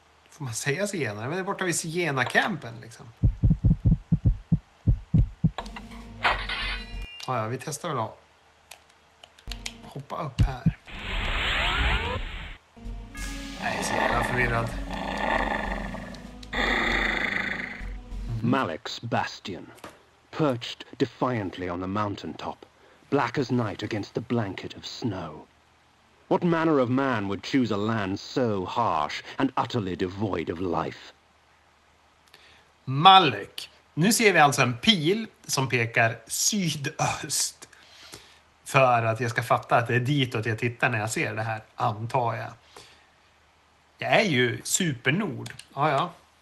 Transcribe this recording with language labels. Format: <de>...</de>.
<sv>får man säga Siena? Men det är borta vid Siena-campen liksom. Ah, ja, vi testar väl då. Hoppa upp här. Jag är så jävla förvirrad.</sv> <en>Malek's bastion, perched defiantly on the mountaintop, black as night against the blanket of snow. What manner of man would choose a land so harsh and utterly devoid of life? Malek.</en> <sv>Nu ser vi alltså en pil som pekar sydöst. För att jag ska fatta att det är ditåt jag tittar när jag ser det här, antar jag. Jag är ju supernord. Ja, ja.</sv>